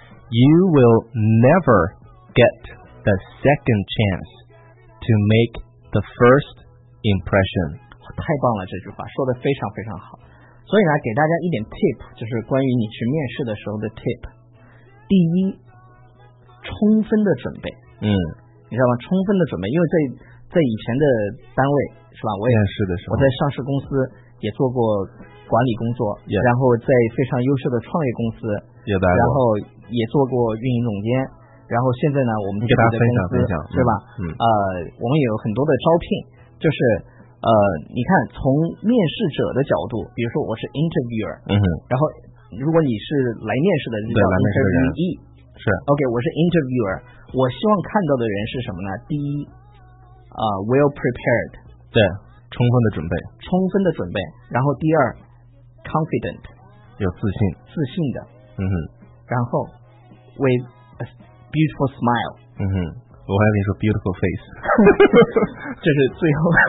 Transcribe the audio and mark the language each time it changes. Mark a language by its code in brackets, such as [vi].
[en] You will never get the second chance to make the first impression. [zh] 太棒了，这句话说得非常非常好。所以呢，给大家一点 tip， 就是关于你去面试的时候的 tip。第一，充分的准备。嗯，你知道吗？充分的准备，因为在以前的单位是吧？我也是的时候，我在上市公司也做过管理工作， [en] yeah. [zh] 然后在非常优秀的创业公司也待过，然后也做过运营总监，然后现在呢，我们给大家分享分享，是吧？嗯，我们也有很多的招聘，就是。你看从面试者的角度，比如说我是 interviewer，嗯哼，然后如果你是来面试的，就叫 interviewee，是 OK， 我是 interviewer， 我希望看到的人是什么呢？ [en] 第一，well prepared， [zh] 对，充分的准备，充分的准备，然后第二 confident，有自信，自信的，嗯哼， [en] 然后 with a beautiful smile， [zh] 嗯哼。我还跟你说 [en] beautiful face， [zh] 这是最后。